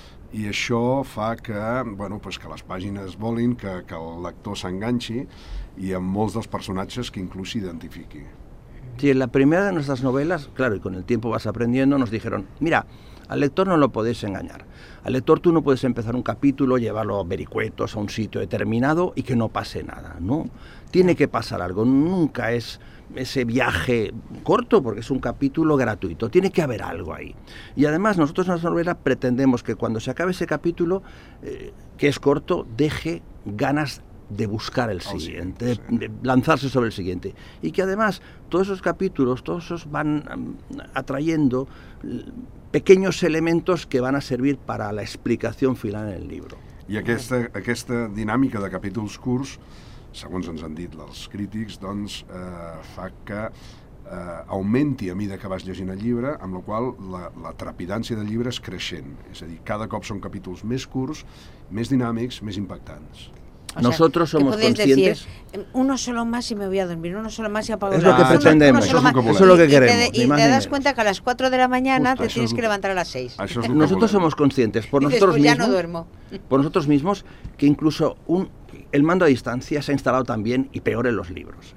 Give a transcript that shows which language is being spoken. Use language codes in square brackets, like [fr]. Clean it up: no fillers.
[ca] I això fa que, bueno, pues que les pàgines volin que el lector s'enganxi i amb molts dels personatges que inclús s'identifiqui. [es] Sí, en la primera [ca] de nostres novel·les, [es] claro, y con el tiempo vas aprendiendo, nos dijeron, mira, al lector no lo podéis engañar. Al lector tú no puedes empezar un capítulo, llevarlo a vericuetos, a un sitio determinado y que no pase nada, ¿no? Tiene que pasar algo, nunca es... ese viaje corto, porque es un capítulo gratuito, tiene que haber algo ahí. Y además nosotros en las novelas pretendemos que cuando se acabe ese capítulo, que es corto, deje ganas de buscar el siguiente, de lanzarse sobre el siguiente. Y que además todos esos capítulos, todos esos van atrayendo pequeños elementos que van a servir para la explicación final en el libro. [ca] Y aquesta dinámica de capítulos curts, segons ens han dit els crítics, doncs, fa que augmenti a mida que vas llegint el llibre, amb la qual la trepidància del llibre és creixent. És a dir, cada cop són capítols més curts, més dinàmics, més impactants. [es] Nosotros somos conscientes... Uno solo más y me voy a dormir, uno solo más y apago la... Es lo que pretendemos, eso es lo que queremos. Y te das cuenta que a las 4 de la mañana te tienes que levantar a las 6. Nosotros somos conscientes, por nosotros mismos... Ya no duermo. Por nosotros mismos, que incluso un... El mando a distancia se ha instalado también y peor en los libros.